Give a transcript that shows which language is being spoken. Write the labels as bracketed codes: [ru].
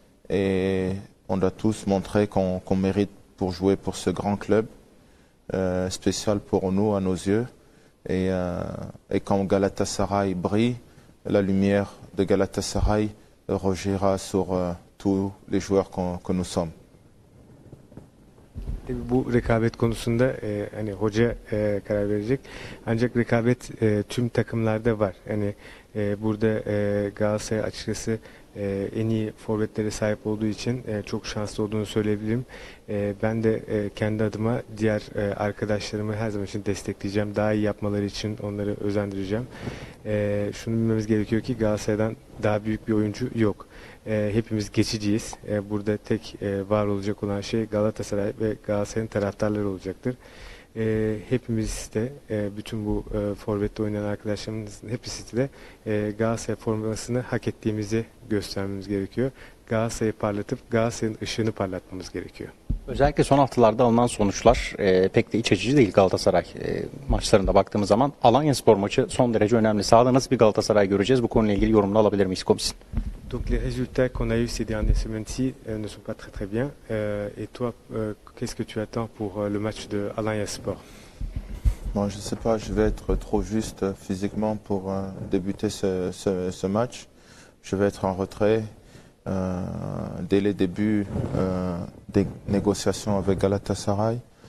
[fr] Et on doit tous montrer qu'on mérite pour jouer pour ce grand club, spécial pour nous, à nos yeux. Et quand Galatasaray brille, la lumière de Galatasaray rejaillira sur tous les joueurs que nous sommes. [tr] Bu rekabet konusunda hani hoca karar verecek. Ancak rekabet tüm takımlarda var. Hani burada Galatasaray açıkçası en iyi forvetlere sahip olduğu için çok şanslı olduğunu söyleyebilirim. Ben de kendi adıma diğer arkadaşlarımı her zaman için destekleyeceğim. Daha iyi yapmaları için onları özendireceğim. Şunu bilmemiz gerekiyor ki Galatasaray'dan daha büyük bir oyuncu yok. Hepimiz geçiciyiz. Burada tek var olacak olan şey Galatasaray ve Galatasaray'ın taraftarları olacaktır. Hepimiz de bütün bu forvette oynayan arkadaşlarımızın hepsi de Galatasaray formasını hak ettiğimizi göstermemiz gerekiyor. Galatasaray'ı parlatıp Galatasaray'ın ışığını parlatmamız gerekiyor. Özellikle son haftalarda alınan sonuçlar pek de iç açıcı değil Galatasaray maçlarında baktığımız zaman. Alanyaspor maçı son derece önemli. Sahada nasıl bir Galatasaray göreceğiz? Bu konuyla ilgili yorumunu alabilir miyiz komisyon? [fr] Donc les résultats qu'on a eu ces dernières semaines-ci ne sont pas très très bien. Et toi, qu'est-ce que tu attends pour le match de Alanyaspor? Bon, je ne sais pas, je vais être trop juste physiquement pour débuter ce match. Je vais être en retrait dès le début des négociations avec Galatasaray.